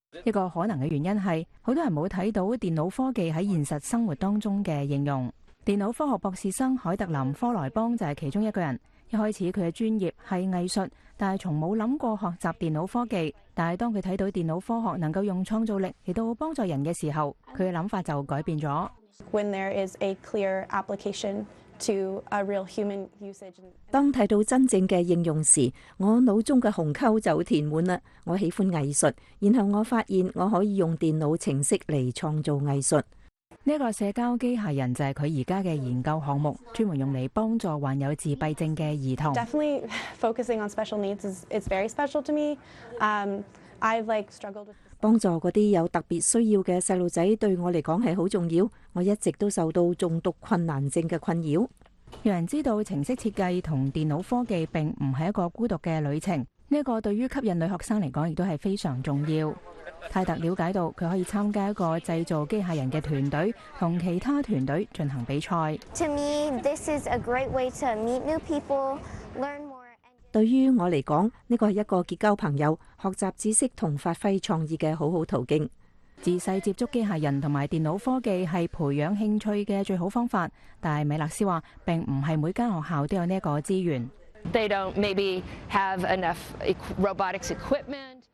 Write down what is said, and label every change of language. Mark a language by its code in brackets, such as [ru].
[yue] 一个可能嘅原因系，好多人冇睇到电脑科技喺现实生活当中嘅应用。电脑科学博士生海特林科莱邦就系其中一个人。一开始佢嘅专业系艺术，但系从冇谂过学习电脑科技。但系当佢睇到电脑科学能够用创造力嚟到帮助人嘅时候，佢嘅谂法就改变咗。 [en] When there is a clear application to a real human usage， [yue] 当睇到真正嘅应用时，我脑中嘅鸿沟就填满啦。我喜欢艺术，然后我发现我可以用电脑程式嚟创造艺术。这个社交机械人就是他现在的研究项目，专门用来帮助患有自闭症的儿童。 [en] Definitely focusing on special needs is very special to me. I've like struggled with [yue] 帮助那些有特别需要的小孩子对我来讲是很重要。我一直都受到重度困难症的困扰。有人知道程式设计和电脑科技并不是一个孤独的旅程，这个对于吸引女学生来讲也是非常重要。泰特了解到，佢可以参加一个制造机械人嘅团队，同其他团队进行比赛。 [en] To me, this is a great way to meet new people, learn more. [yue] 对于我嚟讲，呢个系一个结交朋友、学习知识同发挥创意嘅好好途径。自细接触机械人同埋电脑科技系培养兴趣嘅最好方法，但系米勒斯话，并唔系每间学校都有呢一个资源。 [en] They don't maybe have enough robotics equipment.